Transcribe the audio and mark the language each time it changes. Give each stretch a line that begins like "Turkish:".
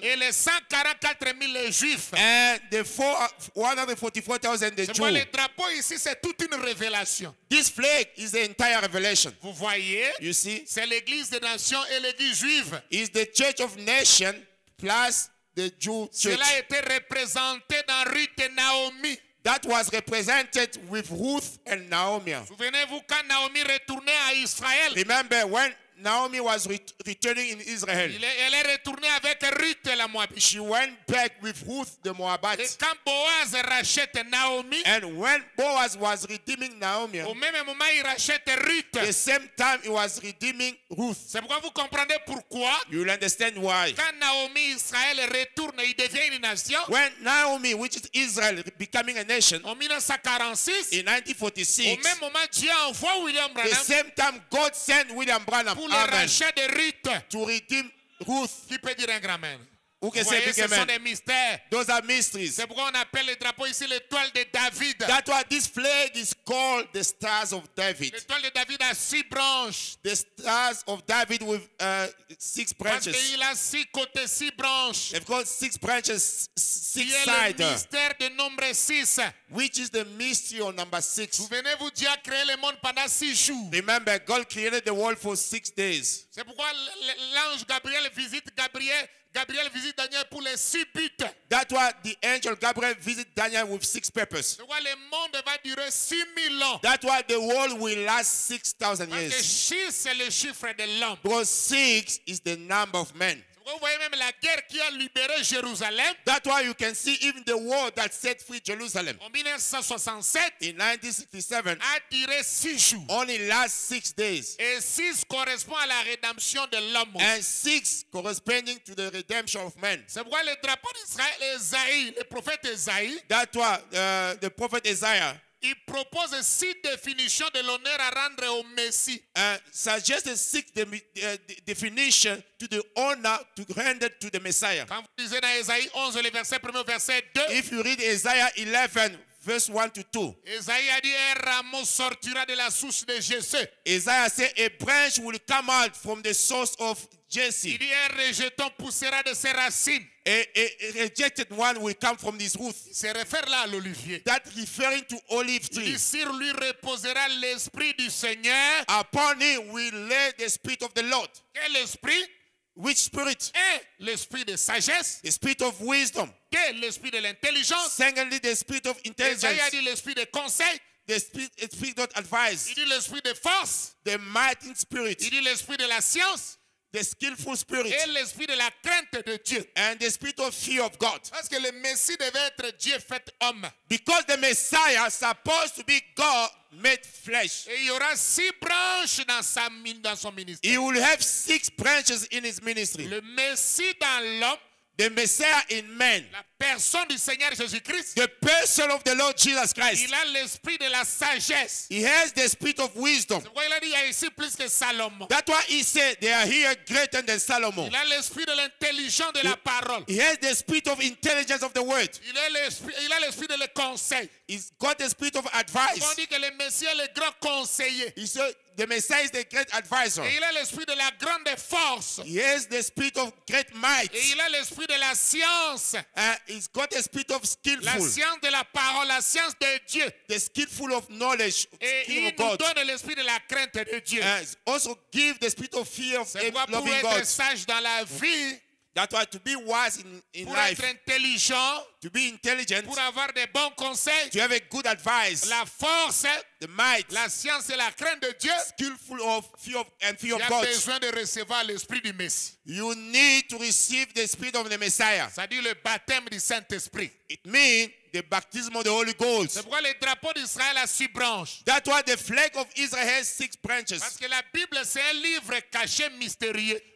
French: Et les 144 000 juifs.
English: And the 144,000 the Jews.
French: Le drapeau ici, c'est toute une révélation.
English: This flag is the entire revelation.
French: Vous voyez.
English: You see.
French: C'est l'église des nations et l'église juive.
English: Is the church of nations plus the Jew church.
French: Cela a été représenté dans Ruth et Naomi.
English: That was represented with Ruth and Naomi.
French: Souvenez-vous quand Naomi retournait à Israël.
English: Remember when Naomi was returning in Israel.
French: Elle est retournée avec Ruth la Moabite.
English: She went back with Ruth the Moabite.
French: Et quand Boaz rachète Naomi.
English: And when Boaz was redeeming Naomi.
French: Au même moment il rachète Ruth.
English: The same time he was redeeming Ruth.
French: C'est pourquoi vous comprenez pourquoi.
English: You will understand why.
French: Quand Naomi Israël retourne, il devient une nation.
English: When Naomi, which is Israel, becoming a nation.
French: En 1946.
English: In 1946.
French: Au même moment Dieu envoie William Branham.
English: The same time God sent William Branham.
French: Pour le rachat de Ruth.
English: To redeem Ruth.
French: Qui peut dire un grand amen? Ou que vous voyez, ce amen. Sont des mystères.
English: Those are mysteries.
French: C'est pourquoi on appelle le drapeau ici l'étoile de David.
English: That's why this flag is called the stars of David.
French: L'étoile de David a six branches.
English: The stars of David with six branches.
French: Parce qu'il a six côtés, six branches.
English: They've got six branches, six sides.
French: Qui est le mystère de nombre six.
English: Which is the mystery of number six.
French: Souvenez-vous, Dieu a créé le monde pendant six jours.
English: Remember, God created the world for six days.
French: C'est pourquoi l'ange Gabriel visite Gabriel. Gabriel visite Daniel pour les six buts.
English: That's why the angel Gabriel visit Daniel with six purpose.
French: C'est pourquoi le monde va durer 6000 ans.
English: That's why the world will last 6,000 years.
French: Parce que six, c'est le chiffre de l'homme.
English: Because six is the number of men.
French: Vous voyez même la guerre qui a libéré Jérusalem.
English: That's why you can see even the war that set free Jerusalem.
French: En 1967.
English: In 1967.
French: A duré six jours.
English: Only last six days.
French: Et six correspond à la rédemption de l'homme.
English: And six corresponding to the redemption of man.
French: C'est pourquoi le drapeau d'Israël, Esaïe, le prophète Esaïe.
English: That's why the prophet Isaiah.
French: Il propose six définitions de l'honneur à rendre au Messie.
English: Suggest six definition to the honor to render to the Messiah.
French: Quand vous lisez dans Esaïe 11, le verset 1, verset 2.
English: If you read Isaiah 11, verse 1 to 2.
French: Esaïe a dit, un rameau sortira de la source de Jessé. Esaïe a dit,
English: a branch will come out from the source of Jesse.
French: Il dit, un rejeton poussera de ses racines.
English: A rejected one will come from his roots.
French: Se réfère là à l'olivier.
English: That referring to olive tree.
French: Il dit, sur lui reposera l'esprit du Seigneur.
English: Upon him will lay the spirit of the Lord.
French: Quel esprit?
English: Which spirit?
French: Et l'esprit de sagesse.
English: The spirit of wisdom.
French: Et l'esprit de l'intelligence.
English: Secondly, the spirit of intelligence.
French: Esaïe a dit l'esprit de conseil.
English: The spirit of advice.
French: Il dit l'esprit de force.
English: The mighty spirit.
French: Il dit l'esprit de la science.
English: The skillful spirit.
French: Et l'esprit de la crainte de Dieu.
English: And the spirit of fear of God.
French: Parce que le Messie devait être Dieu fait homme.
English: Because the Messiah is supposed to be God made flesh.
French: Et il y aura six branches dans son ministère.
English: He will have six branches in his ministry.
French: Le Messie dans l'homme.
English: The Messiah in man.
French: La personne du Seigneur Jésus Christ.
English: The person of the Lord Jesus Christ.
French: Il a l'esprit de la sagesse.
English: He has the spirit of wisdom.
French: C'est pourquoi il a dit, il y a ici plus que Salomon.
English: That's why he said they are here greater than Solomon.
French: Il a l'esprit de l'intelligence de la parole.
English: He has the spirit of intelligence of the word.
French: Il a l'esprit de le conseil.
English: He's got the spirit of advice.
French: On dit que le Messie est le grand conseiller.
English: He said, the Messiah is the great advisor.
French: Et il a l'esprit de la grande force.
English: He has the spirit of great might.
French: Et il a l'esprit de la science.
English: He's got the spirit of skillful.
French: La science de la parole, la science de Dieu.
English: The skillful of knowledge.
French: Et il nous donne l'esprit de la crainte de Dieu.
English: Also give the spirit of fear of loving God.
French: C'est pour être sage dans la vie.
English: That's why to be wise in
French: pour
English: life.
French: Être intelligent,
English: to be intelligent.
French: Pour avoir des bons conseils,
English: to have a good advice.
French: La force,
English: the might.
French: La science et la crainte de Dieu.
English: Skillful of fear of, and fear
French: il
English: of God.
French: Tu as besoin de recevoir l'esprit du Messie.
English: You need to receive the spirit of the Messiah.
French: Ça dit le baptême du Saint-Esprit.
English: It means the baptism of the Holy Ghost.
French: C'est pourquoi le drapeau d'Israël a six branches.
English: That's why the flag of Israel has six branches.
French: Parce que la Bible c'est un livre caché mystérieux.